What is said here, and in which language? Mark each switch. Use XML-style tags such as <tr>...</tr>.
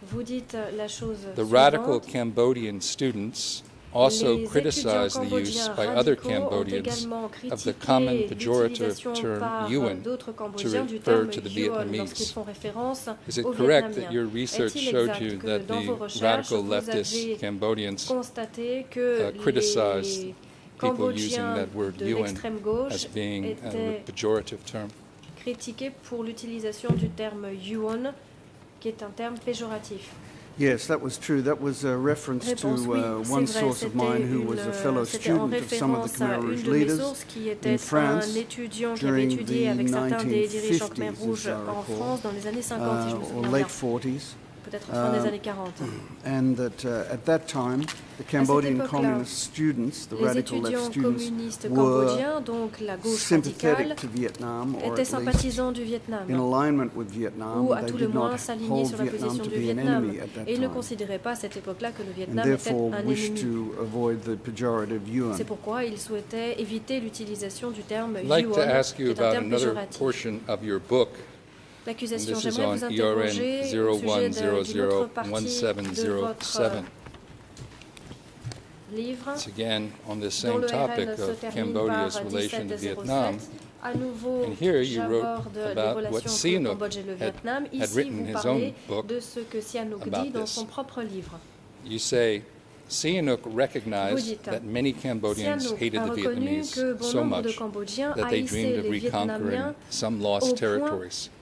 <en>The radical Cambodian students also criticized the use by other Cambodians of the common pejorative term UN to refer to the Vietnamese. Is it correct that your research showed you that the radical leftist Cambodians criticized people using that word UN as being a pejorative term?</en> <fr>Critiqué pour l'utilisation du terme UN, qui est un terme péjoratif.</fr> <en>Yes, that was true. That was a reference to one source of mine who was a fellow student of some of the Khmer Rouge leaders in France during the 1950s, as I recall, or late 40s. And that at that time, the Cambodian communist students, the radical left students, were sympathetic to Vietnam, or at least in alignment with Vietnam. They did not hold Vietnam to be an enemy at that time. And therefore wished to avoid the pejorative UN. I'd like to ask you about another portion of your book.</en> <fr>l'accusation. J'aimerais vous interroger au sujet d'une autre partie de votre livre.</fr> <en>It's again on the same topic of Cambodia's relation to Vietnam.</en> <fr>À nouveau,</fr> <en>and here you wrote about what Sihanouk had written his own book about this. You say Sihanouk recognized that many Cambodians hated the Vietnamese so much that they dreamed of reconquering some lost territories.</en>